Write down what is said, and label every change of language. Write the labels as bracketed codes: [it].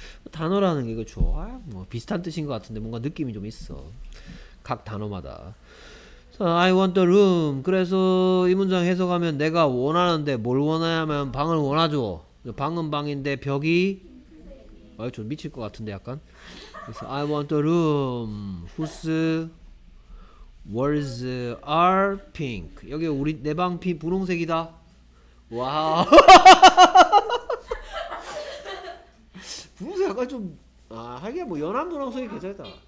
[ko] 단어라는 게 그렇죠. 아, 뭐 비슷한 뜻인 것 같은데 뭔가 느낌이 좀 있어 각 단어마다. [en] So, I want the room. [ko] 그래서 이 문장 해석하면 내가 원하는데 뭘 원하냐면 방을 원하죠. 방은 방인데 벽이 아, 좀 미칠 것 같은데 약간. [en] 그래서 I want the room whose walls are pink. [ko] 여기 우리 내 방 분홍색이다. 와우. 분홍색 약간 좀 아 하긴 뭐 연한 분홍색이 괜찮다.